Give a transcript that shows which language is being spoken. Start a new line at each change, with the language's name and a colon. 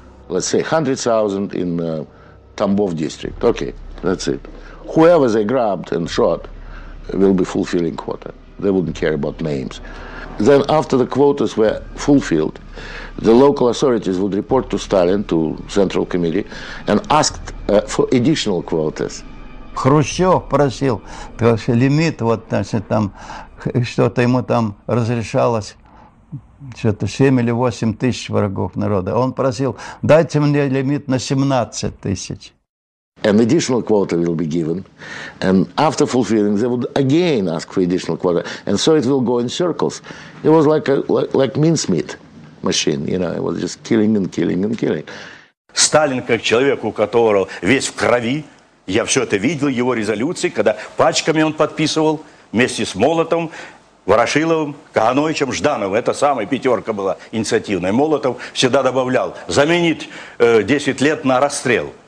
English: Let's say 100,000 in Tambov district. Okay, that's it. Whoever they grabbed and shot will be fulfilling quota. They wouldn't care about names. Then after the quotas were fulfilled, the local authorities would report to Stalin, to Central Committee, and asked for additional quotas.
Russian: Хрущев просил, потому что лимит, вот, значит, там, что-то ему там разрешалось, что-то 7 или 8 тысяч врагов народа. Он просил, дайте мне лимит на 17 тысяч.
English: An additional quota will be given, and after fulfilling, they would again ask for additional quota, and so it will go in circles. It was like mincemeat machine, you know, it was just killing and killing and killing.
Russian: Сталин, как человек, у которого весь в крови, я все это видел, его резолюции, когда пачками он подписывал, вместе с Молотом, Ворошиловым, Кагановичем, Ждановым. Это самая пятерка была инициативная. Молотов всегда добавлял, заменить 10 лет на расстрел.